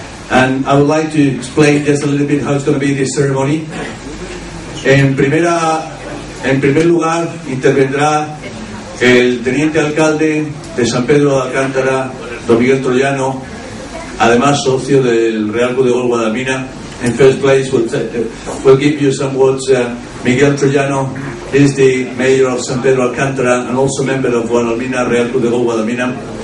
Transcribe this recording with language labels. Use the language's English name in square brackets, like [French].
[English] And I would like to explain just a little bit how it's going to be this ceremony. [Spanish] En primer lugar, intervendrá el teniente alcalde de San Pedro de Alcántara, Don Miguel Troyano, además socio del Real Club de Golf Guadalmina. [English] In first place, we'll give you some words. Miguel Troyano is the mayor of San Pedro Alcántara and also member of Guadalmina, Real Club de Golf Guadalmina.